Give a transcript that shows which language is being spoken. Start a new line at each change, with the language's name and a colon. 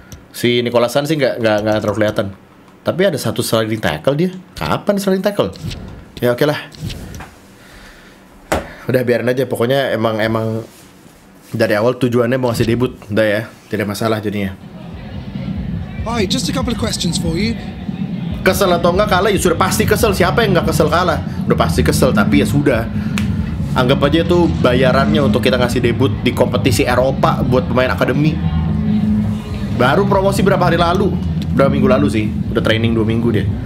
Indonesian: Si Nicolas Han sih nggak terlalu kelihatan. Tapi ada satu sliding tackle dia. Kapan sliding tackle? Ya oke lah. Udah biarin aja, pokoknya emang dari awal tujuannya mau ngasih debut. Udah ya, tidak masalah jadinya.
English: Hi, just a couple of questions for you.
Indonesian: Kesel atau enggak kalah, ya sudah pasti kesel. Siapa yang enggak kesel kalah? Udah pasti kesel, tapi ya sudah. Anggap aja itu bayarannya untuk kita ngasih debut di kompetisi Eropa buat pemain akademi. Baru promosi berapa hari lalu? Berapa minggu lalu sih? Udah training 2 minggu dia.